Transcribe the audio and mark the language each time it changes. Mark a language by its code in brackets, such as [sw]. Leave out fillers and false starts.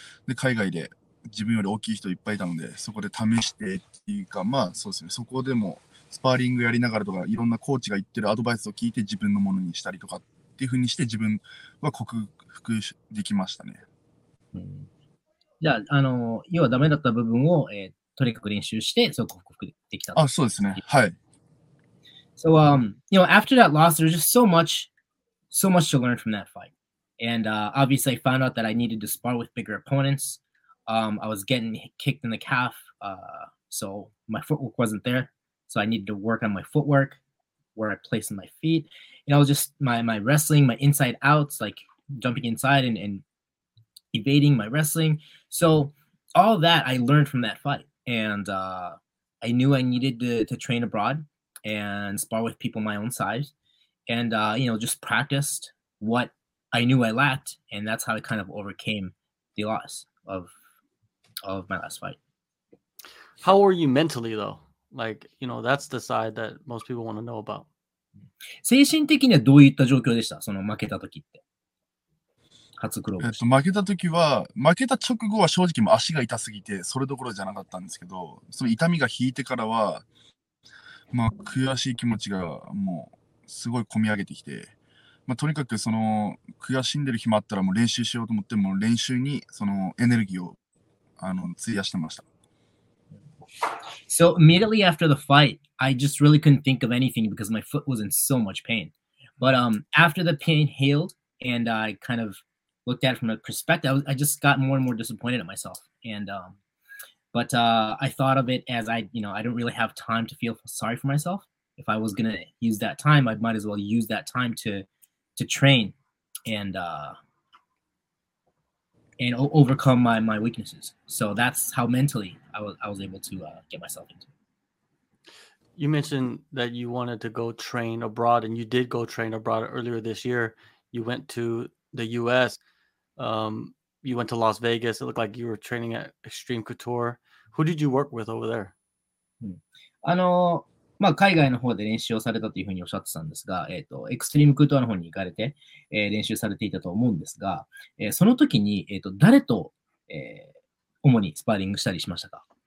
[ja] で海外で自分より大きい人いっぱいいたので、そこで試してっていうか、まあそうですね、そこでもスパーリングやりながらとか、いろんなコーチが言ってるアドバイスを聞いて自分のものにしたりとかっていうふうにして自分は克服できましたね。うん、じゃあ、要はダメだった部分を、とにかく練習して、そこを克服できた。あ、そうですね。はい。 [en] So, you know, after that loss, there's just so much to learn from that fight. And obviously, I found out that I needed to spar with bigger opponents. I was getting kicked in the calf, so my footwork wasn't there. So I needed to work on my footwork, where I placed my feet. You know, just my wrestling, my inside outs, like jumping inside and evading my wrestling. So all that I learned from that fight. And I knew I needed to train abroad and spar with people my own size. And, you know, just practiced what I knew I lacked. And that's how I kind of overcame the loss of my last fight. How were you mentally, though? Like, you know, that's the side that most people want to know about. [ja] 精神的にはどういった状況でした？その負けた時って。初黒星。負けた時は、負けた直後は正直も足が痛すぎて、それどころじゃなかったんですけど、その痛みが引いてからは、まあ、悔しい気持ちがもうすごい込み上げてきて、まあ、とにかくその悔しんでる暇あったらもう練習しようと思って、もう練習にそのエネルギーを費やしてました。 [en] So immediately after the fight, I just really couldn't think of anything because my foot was in so much pain. But after the pain healed and I kind of looked at it from a perspective, I just got more and more disappointed at myself. And I thought of it as I don't really have time to feel sorry for myself. If I was going to use that time, I might as well use that time to train and overcome my weaknesses. So that's how mentally I was able to get myself into it. You mentioned that you wanted to go train abroad, and you did go train abroad earlier this year. You went to the U.S. You went to Las Vegas. It looked like you were training at Extreme Couture. Who did you work with over there? [ja] まあ、海外の方で練習をされたというふうにおっしゃってたんですが、エクストリームクートアの方に行かれて、練習されていたと思うんですが、その時に、誰と、主にスパーリングしたりしましたか？